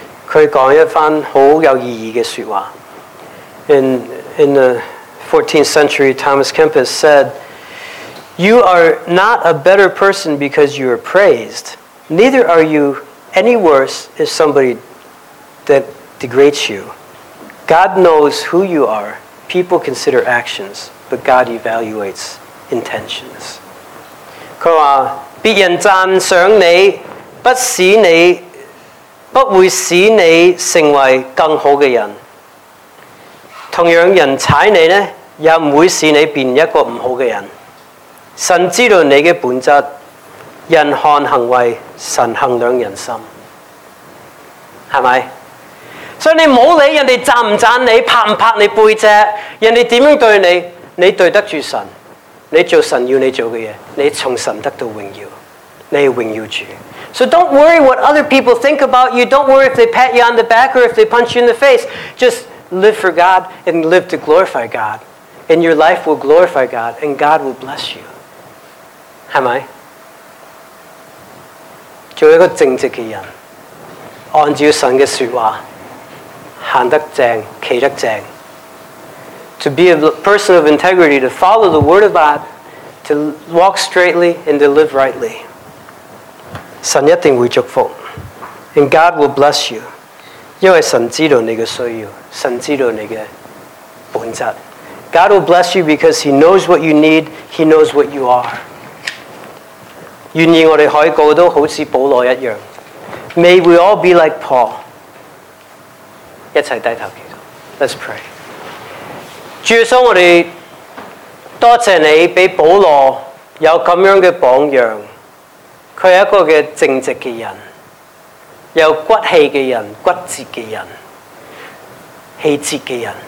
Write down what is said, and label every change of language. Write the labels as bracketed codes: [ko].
[zh] 他讲一番很有意义的说话。 [en] In the 14th century Thomas Kempis said, "You are not a better person because you are praised. Neither are you any worse if somebody that degrades you. God knows who you are. People consider actions, but God evaluates intentions." [zh] 他说别人赞赏你不使你不会使你成为更好的人，同样人踩你呢也不会使你变一个不好的人。神知道你的本质，人看行为，神衡量人心，是吧？所以你不要理人家赞不赞你，拍不拍你背脊，人家怎样对你，你对得住神，你做神要你做的事，你从神得到荣耀，你是荣耀主。 [en] So don't worry what other people think about you. Don't worry if they pat you on the back or if they punch you in the face. Just live for God and live to glorify God. And your life will glorify God and God will bless you. [zh] 是吗？做一个正直的人，按照神的说话，行得正，企得正。 [en] To be a person of integrity, to follow the word of God, to walk straightly and to live rightly. [zh] 神一定会祝福， [en] and God will bless you. [zh] 因为神知道你的需要，神知道你的本质。 [en] God will bless you because he knows what you need, he knows what you are. [zh] 愿意我们可以个都好像保罗一样。 [en] May we all be like Paul. [zh] 一起低头祈祷。 [en] Let's pray. [zh] 主耶稣，我们多谢你给保罗有这样的榜样，他是一个正直的人，有骨气的人，骨折的人，气质的人。